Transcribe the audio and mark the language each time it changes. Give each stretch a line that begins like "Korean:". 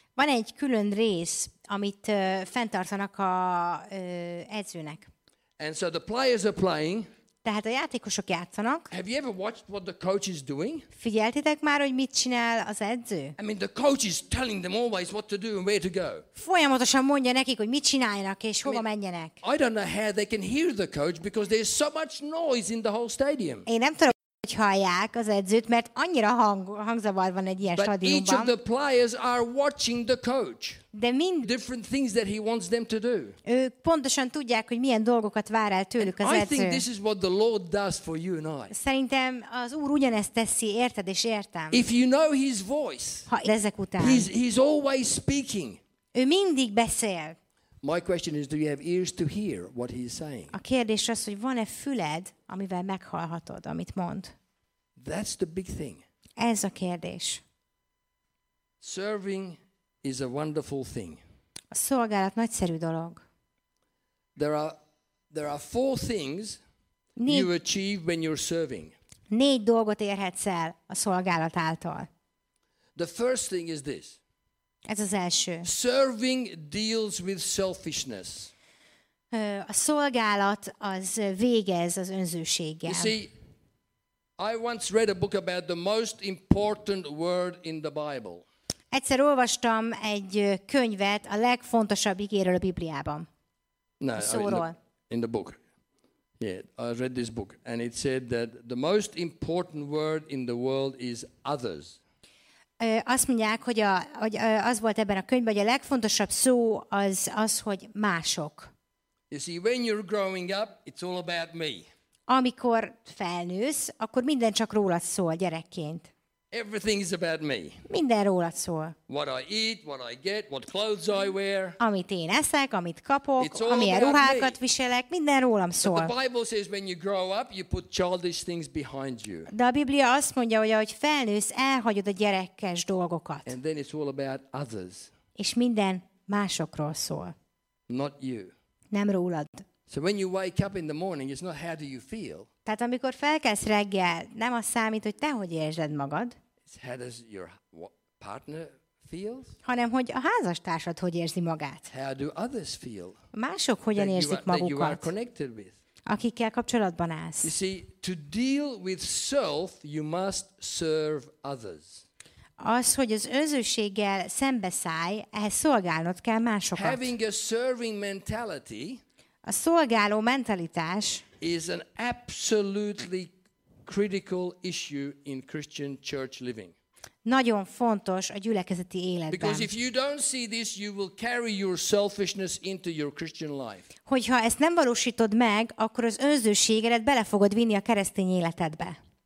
Hungarian: Van egy külön rész, amit fenntartanak a edzőnek.
English: And so the players are playing.
Hungarian: Tehát a játékosok játszanak.
English: Have you ever watched what the coach is doing?
Hungarian: Figyeltétek már, hogy mit csinál az edző?
English: I mean, the coach is telling them always what to do and where to go.
Hungarian: Folyamatosan mondja nekik, hogy mit csináljanak és hova menjenek.
English: I don't know how they can hear the coach because there's so much noise in the whole stadium.
Hungarian: Én nem tudom, hogy hallják az edzőt, mert annyira hangzavar van egy ilyen stadionban.
English: But each of the players are watching the coach.
Hungarian: De mind
English: different things that he wants them to do.
Hungarian: Ők pontosan tudják, hogy milyen dolgokat vár el tőlük az edző.
English: I think this is what the Lord does for you and I.
Hungarian: Szerintem az Úr ugyanezt teszi, érted és értem.
English: If you know his voice.
Hungarian: Ha ezek után.
English: He's always speaking.
Hungarian: Ő mindig beszél.
English: My question is, do you have ears to hear what he's saying?
Hungarian: A kérdés az, hogy van-e füled, amivel meghallhatod, amit mond.
English: That's the big thing.
Hungarian: Ez a kérdés.
English: Serving is a wonderful thing.
Hungarian: A szolgálat nagyszerű dolog.
English: There are four things you achieve when you're serving.
Hungarian: Négy dolgot érhetsz el a szolgálat által.
English: The first thing is this.
Hungarian: Ez az első.
English: Serving deals with selfishness.
Hungarian: A szolgálat az végez az önzőséggel.
English: You see, I once read a book about the most important word in the Bible.
Hungarian: Egyszer olvastam egy könyvet a legfontosabb ígéről a Bibliában.
English: In the book. Yeah, I read this book and it said that the most important word in the world is others.
Hungarian: Azt mondják, hogy az volt ebben a könyvben, hogy a legfontosabb szó az, hogy mások.
English: You see, when you're growing up, it's all about me.
Hungarian: Amikor felnősz, akkor minden csak rólad szól gyerekként.
English: Everything is about me.
Hungarian: Minden rólad szól.
English: What I eat, what I get, what clothes I wear.
Hungarian: Amit én eszek, amit kapok, amilyen ruhákat viselek, minden rólam szól.
English: But the Bible says when you grow up, you put childish things behind you.
Hungarian: De a Biblia azt mondja, hogy ahogy felnősz, elhagyod a gyerekes dolgokat.
English: And then it's all about others.
Hungarian: És minden másokról szól.
English: Not you.
Hungarian: Nem rólad.
English: So when you wake up in the morning, it's not how do you feel.
Hungarian: Tehát amikor felkelsz reggel, nem az számít, hogy te hogy érzed magad,
English: how does your partner feels?
Hungarian: Hanem hogy a házastársad hogy érzi magát.
English: How do others feel?
Hungarian: Mások hogyan érzik magukat,
English: that you are connected with.
Hungarian: Akikkel kapcsolatban állsz.
English: You see, to deal with self, you must serve others.
Hungarian: Az, hogy az önzőséggel szembeszállj, ehhez szolgálnod kell másokat.
English: Having a serving mentality,
Hungarian: a szolgáló mentalitás
English: is an absolutely critical issue in Christian church living.
Hungarian: Nagyon fontos a gyülekezeti életben.
English: Because if you don't see this, you will carry your selfishness into your Christian life.
Hungarian: Hogyha ezt nem valósítod meg, akkor az önzőségedet bele fogod vinni a keresztény életedbe.